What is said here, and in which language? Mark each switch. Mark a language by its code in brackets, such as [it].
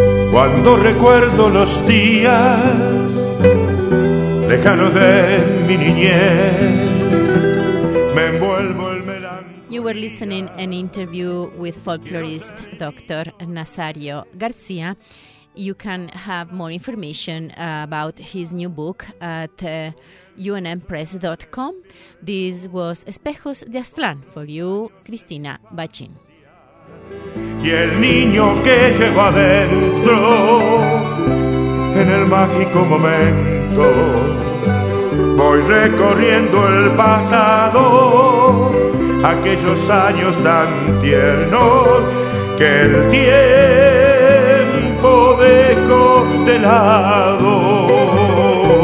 [es] Cuando recuerdo los días lejanos de mi niñez, me envuelvo en melancolía. [en] You were listening to an interview with folklorist Dr. Nazario Garcia. You can have more information about his new book at unmpress.com. This was Espejos de Aztlán for you, Cristina Bachín. [es] Y el niño que lleva adentro en el mágico momento voy recorriendo el pasado aquellos años tan tiernos que el tiempo dejó de lado.